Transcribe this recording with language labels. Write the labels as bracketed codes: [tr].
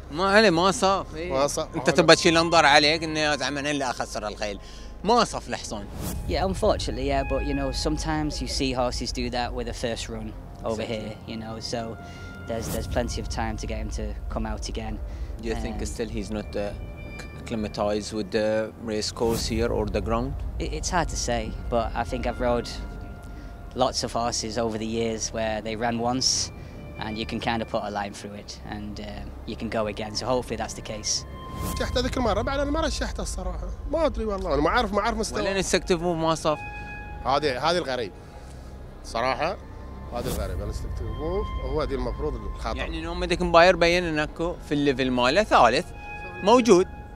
[ar] ما عليه ما صاف انت تبى تشيل انظار عليك انه يا زعما انا اللي اخسر الخيل ما صاف الحصان [en] yeah unfortunately yeah but you know sometimes you see horses do that with a first run over here you know so there's plenty of time to get him to come out again do you think still he's not there acclimatized with the race course here or the ground? It's hard to say, but I think I've rode lots of horses over the years where they ran once and you can kind of put a line through it and you can go again, so hopefully that's the case. [ar] رشحته ذيك المرة بعد انا ما رشحته الصراحة، ما ادري والله انا ما اعرف مستوى. ولين السكتف موف ما صف. هذه الغريب. صراحة هذا الغريب السكتف موف هو هذه المفروض الخاطر. يعني نومدك مباير بين انك في الليفل ماله ثالث موجود.